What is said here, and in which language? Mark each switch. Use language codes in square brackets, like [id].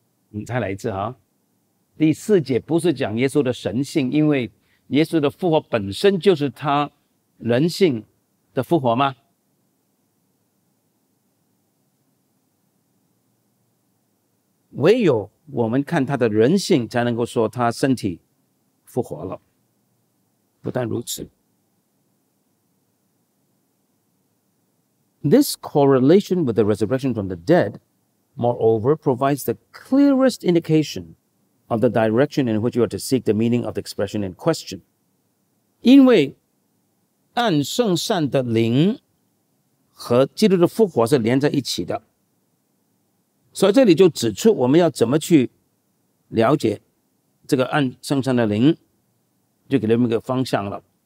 [zh] 我们再来一次第四节不是讲耶稣的神性，因为耶稣的复活本身就是他人性的复活吗？唯有我们看他的人性才能够说他身体复活了。不但如此， [en] This correlation with the resurrection from the deadMoreover, provides the clearest indication of the direction in which you are to seek the meaning of the expression in question. [zh] 因为按圣善的灵和基督的复活是连在一起的，所以这里就指出我们要怎么去了解这个按圣善的灵，就给了我们一个方向了。